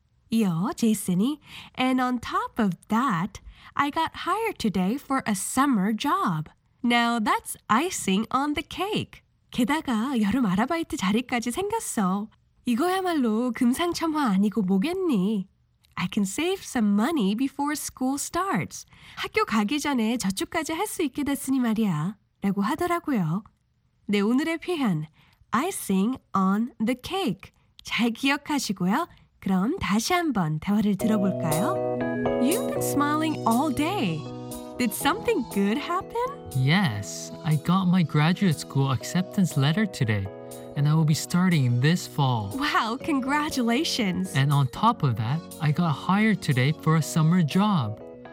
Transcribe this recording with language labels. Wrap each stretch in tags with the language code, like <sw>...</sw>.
<ko>이어 제이슨이</ko> <en>And on top of that, I got hired today for a summer job. Now that's icing on the cake.</en> <ko>게다가 여름 아르바이트 자리까지 생겼어. 이거야말로 금상첨화 아니고 뭐겠니?</ko> <en>I can save some money before school starts.</en> <ko>학교 가기 전에 저축까지 할 수 있게 됐으니 말이야. 라고 하더라고요. 네, 오늘의 표현</ko> <en>icing on the cake.</en> <ko>잘 기억하시고요. 그럼 다시 한번 대화를 들어볼까요?</ko> <en>You've been smiling all day. Did something good happen? Yes, I got my graduate school acceptance letter today, and I will be starting this fall. Wow, congratulations! And on top of that, I got hired today for a summer job.</en>